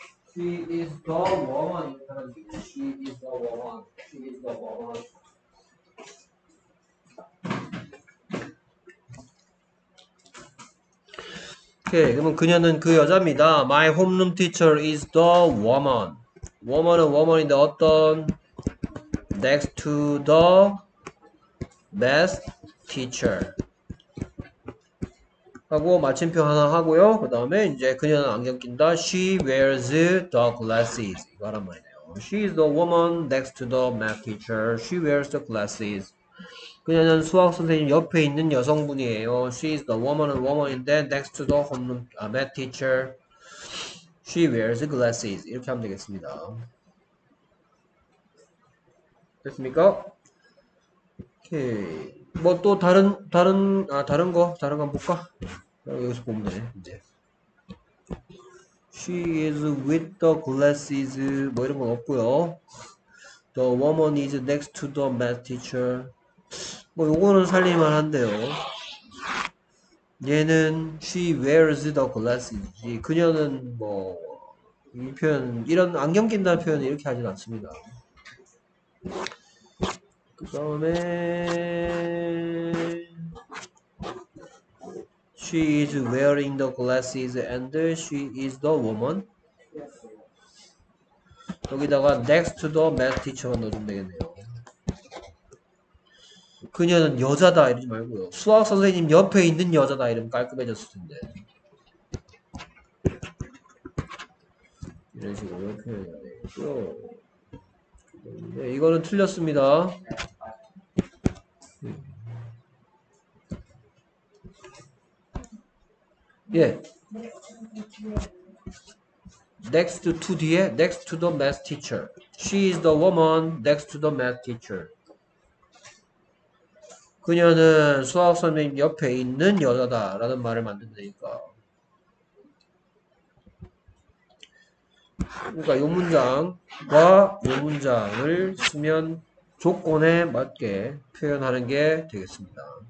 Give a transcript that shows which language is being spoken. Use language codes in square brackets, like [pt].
[en] She is the woman. She is the woman. She is the woman. [ko] 오케이, 그러면 그녀는 그 여자입니다. [en] My homeroom teacher is the woman. Woman은 woman인데 어떤 next to the best teacher. [ko] 하고 마침표 하나 하고요. 그 다음에 이제 그녀는 안경 낀다. [en] She wears the glasses. [ko] 이거란 말이에요. [en] She is the woman next to the math teacher. She wears the glasses. [ko] 그녀는 수학 선생님 옆에 있는 여성분이에요. [en] She is the woman은 woman인데 next to the homeroom, math teacher. She wears the glasses. [ko] 이렇게 하면 되겠습니다. 됐습니까? 오케이. 뭐또 다른 거 볼까? 여기서 보면 돼, 이제. [en] She is with the glasses. [ko] 뭐 이런 건 없고요. [en] The woman is next to the math teacher. [ko] 뭐 요거는 살릴만한데요. 얘는 [en] she wears the glasses. [ko] 그녀는 뭐, 이 표현, 이런 안경 낀다는 표현은 이렇게 하진 않습니다. [en] 그다음에 She is wearing the glasses and she is the woman. 여기다가 next to the math teacher만 [ko] 넣어주면 되겠네요. 그녀는 여자다 이러지 말고요. 수학 선생님 옆에 있는 여자다 이러면 깔끔해졌을 텐데. 이런 식으로 표현해야 되겠고요. 네, 이거는 틀렸습니다. 예. [en] Next to [ko] 뒤에, [en] next to the math teacher. She is the woman next to the math teacher. [ko] 그녀는 수학 선생님 옆에 있는 여자다라는 말을 만든다니까. 그러니까 요 문장과 요 문장을 쓰면 조건에 맞게 표현하는 게 되겠습니다.